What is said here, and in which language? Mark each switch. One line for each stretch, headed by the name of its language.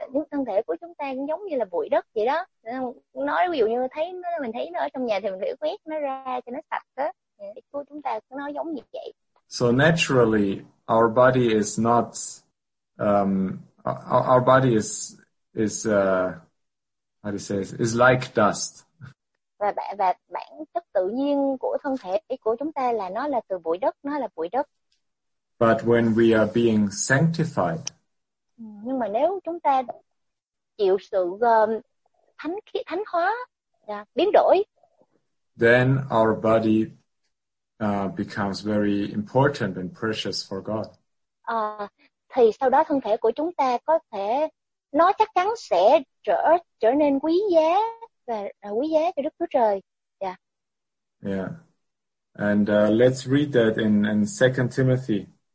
Vietnamese: Thân thể của chúng ta cũng giống như là bụi đất vậy đó. Nói ví dụ như mình thấy nó ở trong nhà thì mình phải quét nó ra cho nó sạch đó. Của chúng ta cũng nói giống như vậy.
English: So naturally, our body is not our body is like dust.
Vietnamese: Và bản chất tự nhiên của thân thể của chúng ta là nó là từ bụi đất, nó là bụi đất.
English: But when we are being sanctified,
Vietnamese: nhưng mà nếu chúng ta chịu sự thánh hóa, biến đổi,
English: then our body becomes very important and precious for God.
Vietnamese: Thì sau đó thân thể của chúng ta có thể nó chắc chắn sẽ trở nên quý giá và quý giá cho Đức Chúa Trời. Yeah.
English: Yeah. And let's read that in 2 Timothy.